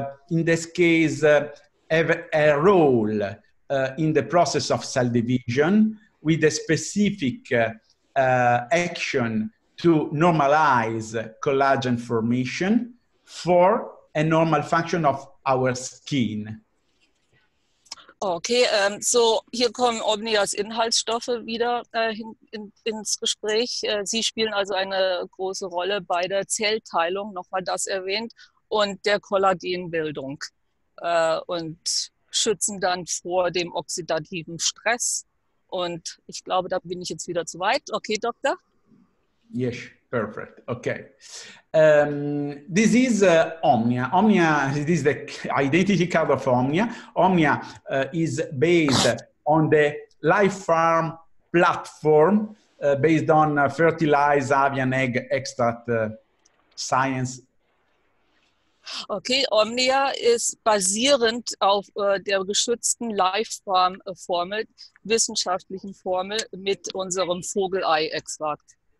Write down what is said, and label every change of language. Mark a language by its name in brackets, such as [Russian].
[English] in this case, have a role in the process of cell division with a specific action to normalize collagen formation for a normal function of our skin. [German] Okay, hier kommen Omnias Inhaltsstoffe wieder ins Gespräch. Sie spielen also eine große Rolle bei der Zellteilung, nochmal das erwähnt, und der Kollagenbildung und schützen dann vor dem oxidativen Stress. Und ich glaube, da bin ich jetzt wieder zu weit. Okay, Doktor? [English] Yes, perfect. Okay. This is Omnia. Omnia, this is the identity card of Omnia. Omnia is based on the Life Farm platform, based on fertilized avian egg extract science. [German] Okay, Omnia ist basierend auf der geschützten Lifeform-Formel, wissenschaftlichen Formel mit unserem Vogelei-Extrakt.